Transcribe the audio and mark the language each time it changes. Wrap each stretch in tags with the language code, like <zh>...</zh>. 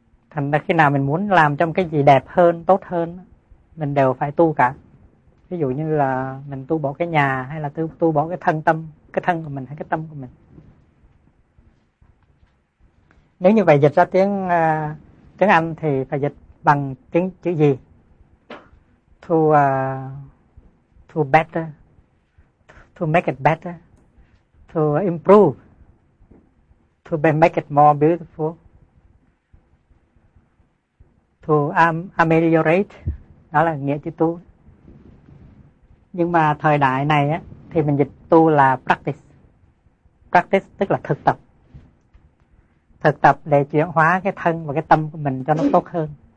<vi>Thành ra khi nào mình muốn làm cho một cái gì đẹp hơn, tốt hơn, mình đều phải tu cả. Ví dụ như là mình tu bỏ cái nhà, hay là tu bỏ cái thân tâm, cái thân của mình hay cái tâm của mình. Nếu như vậy dịch ra tiếng Anh thì phải dịch bằng tiếng chữ gì?</vi> <en>To better, to make it better, to improve, to make it more beautiful. To ameliorate,</en> <vi>đó là nghĩa chữ tu. Nhưng mà thời đại này á, thì mình dịch tu là practice. Practice tức là thực tập. Thực tập để chuyển hóa cái thân và cái tâm của mình cho nó tốt hơn.</vi>